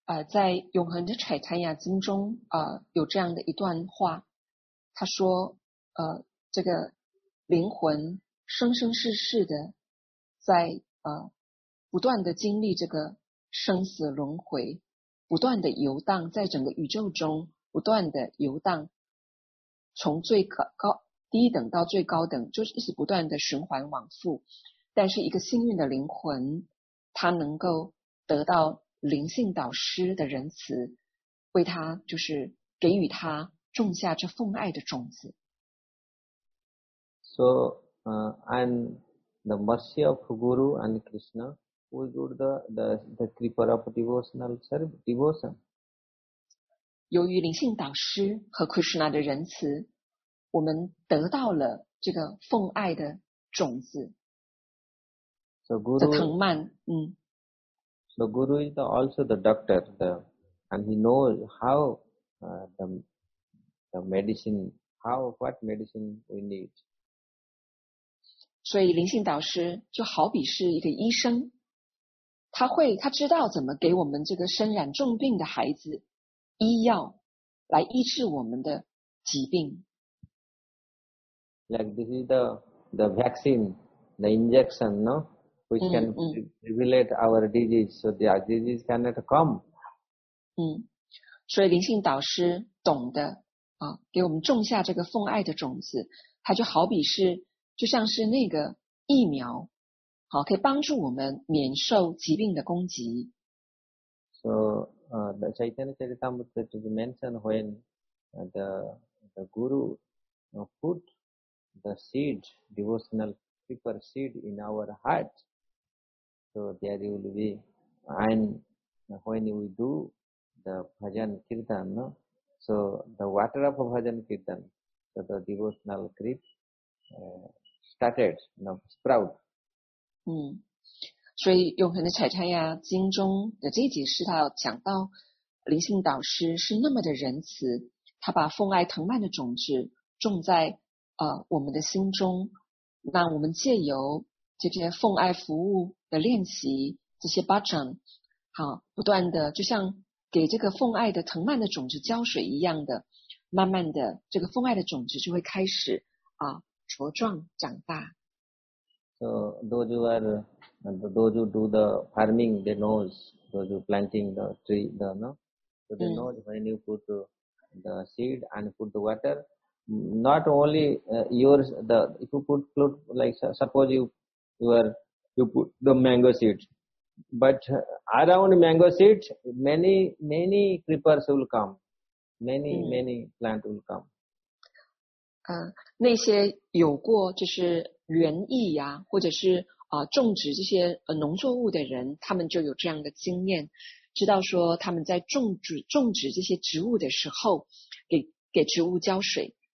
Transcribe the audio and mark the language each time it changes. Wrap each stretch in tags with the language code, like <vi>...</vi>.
<zh>在永恒的柴坦亚经中有这样的一段话，他说这个灵魂生生世世的在不断的经历这个生死轮回，不断的游荡在整个宇宙中，不断的游荡，从最高低等到最高等，就是一直不断的循环往复。但是一个幸运的灵魂，他能够得到灵性导师的仁慈，为他就是给予他种下这奉爱的种子。</zh> <en>So, and the mercy of Guru and Krishna will do the creeper of devotional service, devotion.</en> <zh>由于灵性导师和 Krishna 的仁慈，我们得到了这个奉爱的种子。</zh> <en>So Guru</en> <zh>的藤蔓，</zh> <en>So Guru is also the doctor, and he knows how the medicine, what medicine we need.</en> <zh>所以灵性导师就好比是一个医生，他知道怎么给我们这个身染重病的孩子医药来医治我们的疾病。</zh> <en>Like this is the vaccine, the injection, no? Which can regulate our disease, so the disease cannot come.</en> <zh>所以灵性导师懂得给我们种下这个奉爱的种子，它就好比是就像是那个疫苗，好可以帮助我们免受疾病的攻击。</zh> <en>So, the Chaitanya Charitamrita to be mentioned when the Guru put the seed, devotional paper seed in our heart. So there will be, and when we do the bhajan kirtan, no? So the water of bhajan kirtan, so the devotional creep started, no, sprout.</en> <zh>所以永恒的柴坦亚经中的这一节是他讲到灵性导师是那么的仁慈，他把奉爱藤蔓的种子种在我们的心中，那我们借由这些奉爱服务的练习，这些巴掌，不断的就像给这个奉爱的藤蔓的种子浇水一样的，慢慢的这个奉爱的种子就会开始茁壮长大。</zh> <en>So those who are, those who do the farming, they know, those who planting the tree, the no, so they know when you put the seed and put the water, not only yours, the if you put fruit, like suppose you put the mango seed, but around mango seed many creepers will come, many plant will come.</en> <zh>那些有过就是园艺呀，或者是种植这些农作物的人，他们就有这样的经验，知道说他们在种植这些植物的时候，给植物浇水，</zh>